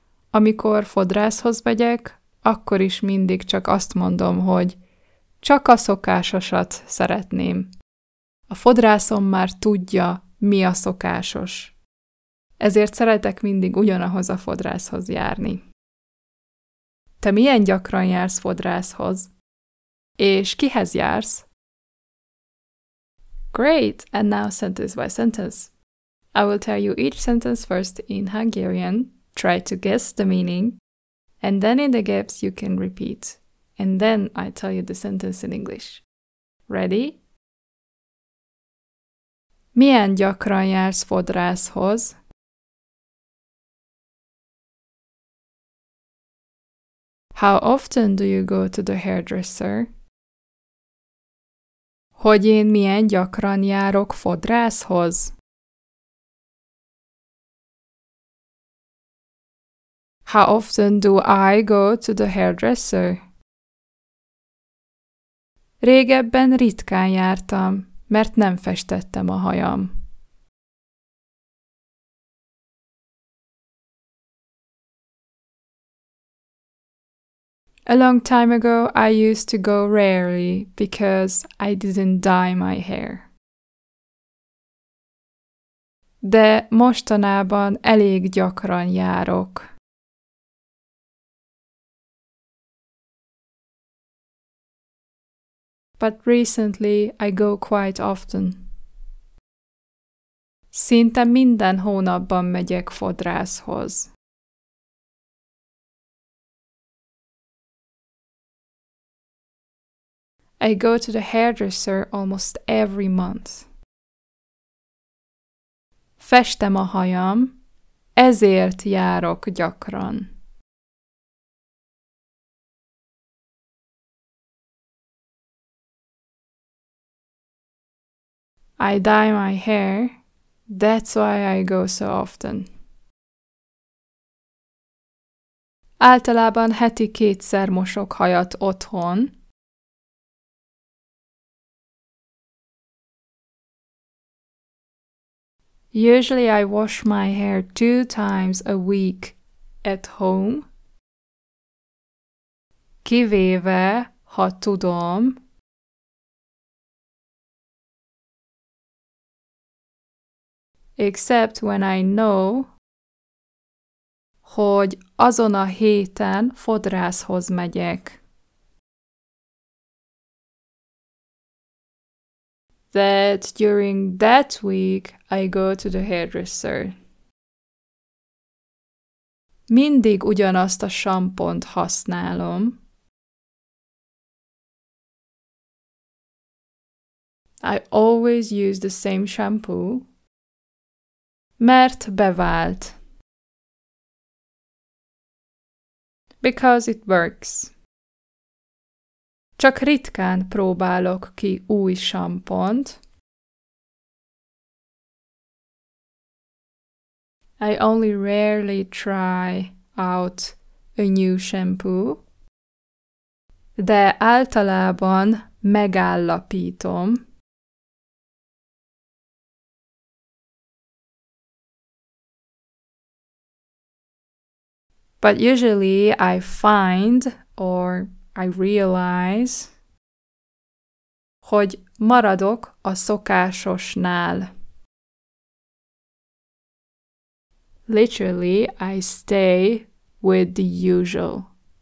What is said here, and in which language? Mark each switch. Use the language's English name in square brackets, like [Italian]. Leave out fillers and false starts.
[Hungarian] Amikor fodrászhoz megyek, akkor is mindig csak azt mondom, hogy csak a szokásosat szeretném. A fodrászom már tudja, mi a szokásos. Ezért szeretek mindig ugyanahoz a fodrászhoz járni. Te milyen gyakran jársz fodrászhoz? És kihez jársz? [English] Great! And now sentence by sentence. I will tell you each sentence first in Hungarian, try to guess the meaning, and then in the gaps you can repeat, and then I tell you the sentence in English. Ready? [Hungarian] Milyen gyakran jársz fodrászhoz? [English] How often do you go to the hairdresser? [Hungarian] Hogy én milyen gyakran járok fodrászhoz? [English] How often do I go to the hairdresser? [Hungarian] Régebben ritkán jártam, mert nem festettem a hajam. [English] A long time ago, I used to go rarely because I didn't dye my hair. [Hungarian] De mostanában elég gyakran járok. [English] But recently, I go quite often. [Hungarian] Szinte minden hónapban megyek fodrászhoz. [English] I go to the hairdresser almost every month. [Hungarian] Festem a hajam, ezért járok gyakran. [English] I dye my hair, that's why I go so often. [Hungarian] Általában heti kétszer mosok hajat otthon. [English] Usually I wash my hair 2 times a week at home. [Hungarian] Kivéve, ha tudom. [English] Except when I know, [Hungarian] hogy azon a héten fodrászhoz megyek. [English] That during that week I go to the hairdresser. [Hungarian] Mindig ugyanazt a sampont használom. [English] I always use the same shampoo. [Hungarian] Mert bevált. [English] Because it works. [Hungarian] Csak ritkán próbálok ki új sampont. [English] I only rarely try out a new shampoo. [Hungarian] De általában megállapítom. [English] But usually I find or I realize, [Hungarian] hogy maradok a szokásosnál. [English] Literally, I stay with the usual.